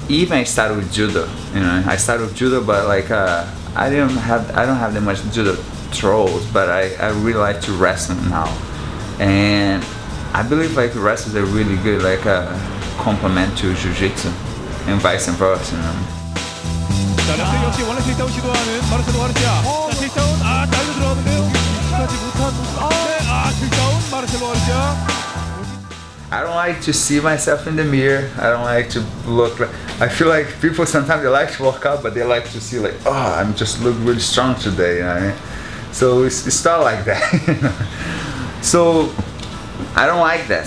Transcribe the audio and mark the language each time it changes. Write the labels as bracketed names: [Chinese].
[English] Even I started with judo, you know, I started with judo, but like I don't have that much judo throws, but I really like to wrestle now, and I believe like wrestling is a really good like a complement to jiu-jitsu, and vice versa, you know. [Korean] 자, 랩스 역시 원래 다운 시도하는 마르셀로 가르시아. 자, 테이크다운. 아, 다리로 들어왔는데요. 하지 못한. 아, 네. 아, 테이크다운 마르셀로 가르시아. [English] I don't like to see myself in the mirror. I don't like to look like, I feel like people sometimes they like to work out, but they like to see like, oh, I'm just look really strong today, you know what I mean? So it's not like that. So I don't like that.